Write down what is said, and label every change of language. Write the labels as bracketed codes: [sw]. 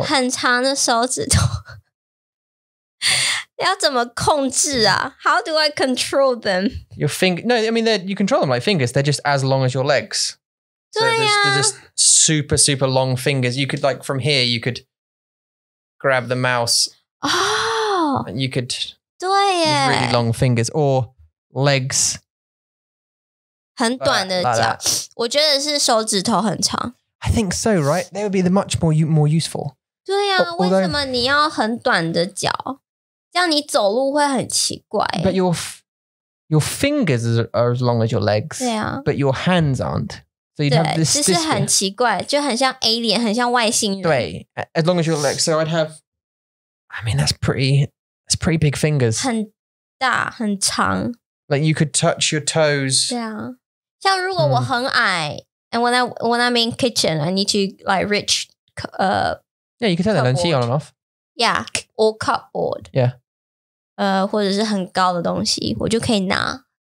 [zh] 很长的手指头，要怎么控制啊？ [en] How do I control them? Your finger? No, I mean that you control them like fingers. They're just as long as your legs. [zh] 对呀、啊 so、 [en] they're just super super long fingers. You could like from here, you could grab the mouse. Oh, and you could [zh] 对耶 [en] really long fingers or legs. [zh] 很短的脚。 [en] Like [zh] 我觉得是手指头很长。 [en] I think so, right? They would be the much more, more useful. [zh] 对啊 although, 为什么你要很短的脚这样你走路会很奇怪。 [en] But your fingers are as long as your legs. [zh] 对啊 [en] But your hands aren't. So you'd [zh] 对 [en] have this, [zh] 就是很奇怪就很像 alien, 很像外星人。 [en] 对 As long as your legs. So I'd have, I mean, that's pretty big fingers. [zh] 很大很长。 [en] Like you could touch your toes. [zh] 对啊像如果我很矮、mm. [en] And when I'm in kitchen I need to like reach Yeah, you can turn the 冷气 on and off Yeah, or cupboard Yeah [zh] 或者是很高的东西我就可以拿